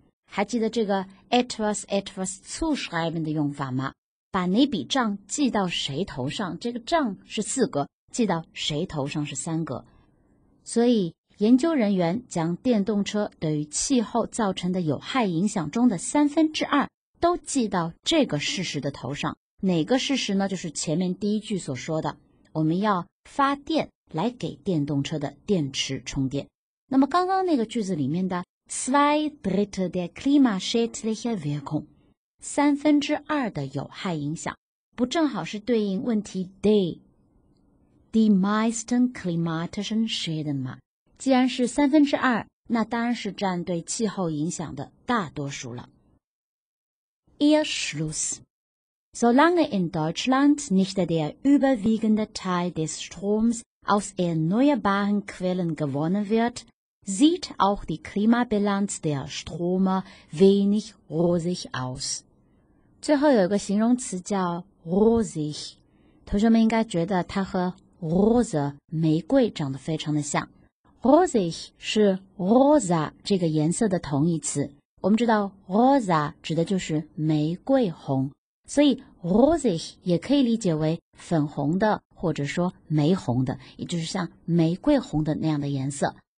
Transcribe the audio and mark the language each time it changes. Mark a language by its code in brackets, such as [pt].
[zh] 还记得这个 [de] etwas etwas zuschreiben [zh] 的用法吗？把那笔账记到谁头上？这个账是四格，记到谁头上是三格。所以研究人员将电动车对于气候造成的有害影响中的三分之二都记到这个事实的头上。哪个事实呢？就是前面第一句所说的，我们要发电来给电动车的电池充电。那么刚刚那个句子里面的 [de] zwei Drittel der klimaschädliche Wirkung， [zh] 三分之二的有害影响，不正好是对应问题 [de] die meisten klimatischen Schäden [zh] 吗？既然是三分之二，那当然是占对气候影响的大多数了。 [de] Ihr Schluss。 Solange in Deutschland nicht der überwiegende Teil des Stroms aus erneuerbaren Quellen gewonnen wird,sieht auch die Klimabilanz der Stromer wenig rosig aus. [zh] 最后有一个形容词叫 rosig， 同学们应该觉得它和 rose 玫瑰长得非常的像。 rosig 是 rosa 这个颜色的同义词。我们知道 rosa 指的就是玫瑰红，所以 rosig 也可以理解为粉红的或者说玫红的，也就是像玫瑰红的那样的颜色。